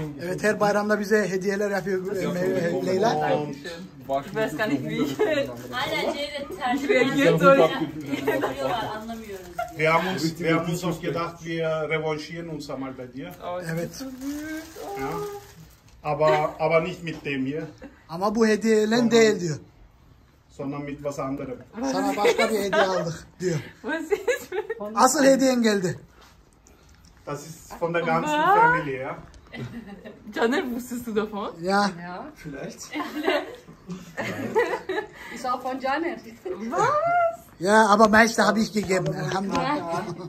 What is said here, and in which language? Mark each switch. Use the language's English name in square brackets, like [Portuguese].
[Turkish] Evet, her bayramda bize hediyeler yapıyor Leyla. [German] Dankeschön. Ich weiß gar nicht, wie ich. Alter, Cevdet, Taşkent. Wir gehen so. Wir haben uns auch gedacht, wir revanchieren uns einmal bei dir. [Turkish] Evet. [German] Ja. Aber nicht mit dem hier. [Turkish] Ama bu hediyelen değil diyor. [German] Sonra mit was anderem. [Turkish] Sana başka bir hediye aldık diyor. Asıl hediyen geldi. [German] Das ist von der ganzen Familie, ja. Caner, wusstest du davon? Ja. Vielleicht. Ist auch von Caner. Was? Ja, aber meiste habe ich gegeben. [Arabic] Alhamdulillah.